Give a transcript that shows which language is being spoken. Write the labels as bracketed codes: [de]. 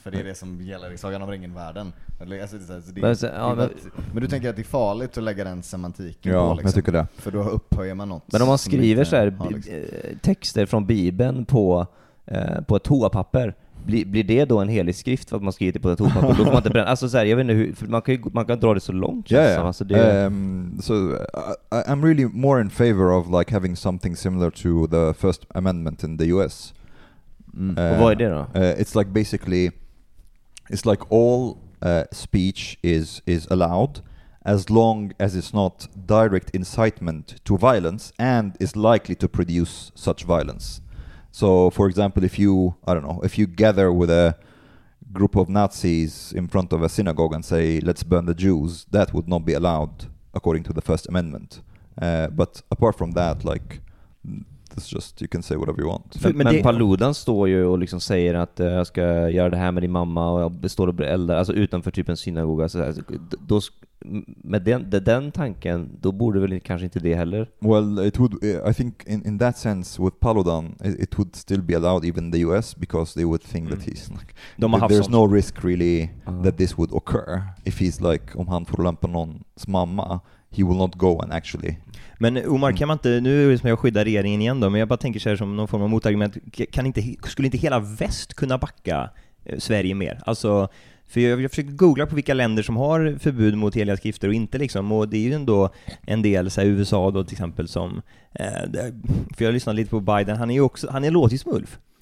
[sv] För det är det som gäller i Sagan om ringen-världen. Alltså, det är, men du tänker att det är farligt att lägga den semantiken ja, på? Liksom, jag tycker det. För då upphöjer man något. Men om man skriver så här, har, liksom, texter från Bibeln på ett toapapper, blir det då en helig skrift för att man skriver det på ett toapapper? Då får man inte bränna. Alltså, så här, jag vet inte hur, för man kan dra det så långt. [en] Yeah, yeah. [sv] Alltså, [en] so I'm really more in favor of, like, having something similar to the First Amendment in the US. [sv] Och vad är det då? [en] It's like basically, it's like all speech is allowed as long as it's not direct incitement to violence and is likely to produce such violence. So, for example, if you gather with a group of Nazis in front of a synagogue and say, let's burn the Jews, that would not be allowed according to the First Amendment. But apart from that, like, it's just you can say whatever you want. [sv] Men Paludan står ju och liksom säger att jag ska göra det här med din mamma och jag står och blir äldre, alltså utanför typ en synagoga. Då, med den tanken, då borde väl kanske inte det heller. [en] Well, it would, I think in that sense with Paludan, it would still be allowed even in the US because they would think that he's like, there's no risk really that this would occur if he's like, [sv] om han får lämpa någons mamma, [en] he will not go and actually. [sv] Men Omar, kan man inte, nu som jag skyddar regeringen igen då, men jag bara tänker så här som någon form av motargument, skulle inte hela väst kunna backa Sverige mer? Alltså, för jag försöker googla på vilka länder som har förbud mot heliga skrifter och inte liksom, och det är ju ändå en del, så här USA då till exempel, som för jag har lyssnat lite på Biden, han är ju också, han är låtig smulf.